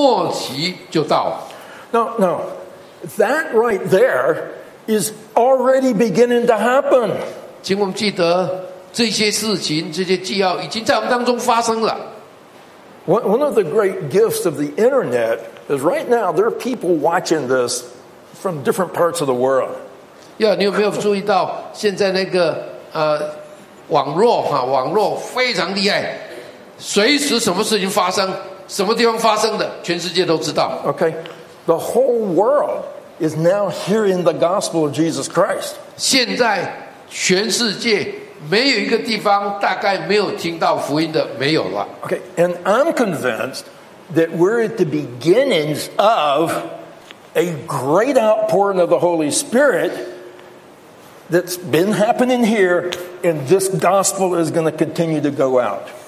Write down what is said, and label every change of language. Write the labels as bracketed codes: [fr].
[zh] 耶稣说，当耶稣的福音传遍天下的时候呢，然后呢，传到世界各国的时候，耶稣说什么呢？末期就到。No, [en] that right there is already beginning to happen. [zh] 请我们记得这些事情，这些纪要已经在我们当中发生了。 [en] One of the great gifts of the internet is right now there are people watching this from different parts of the world. [zh] Yeah, 你有没有注意到现在那个网络非常厉害，随时什么事情发生，什么地方发生的，全世界都知道。Okay, [en] the whole world is now hearing the gospel of Jesus Christ. [zh] 现在全世界 没有一个地方大概没有听到福音的，没有了。Okay, [en] and I'm convinced that we're at the beginnings of a great outpouring of the Holy Spirit that's been happening here, and this gospel is going to continue to go out.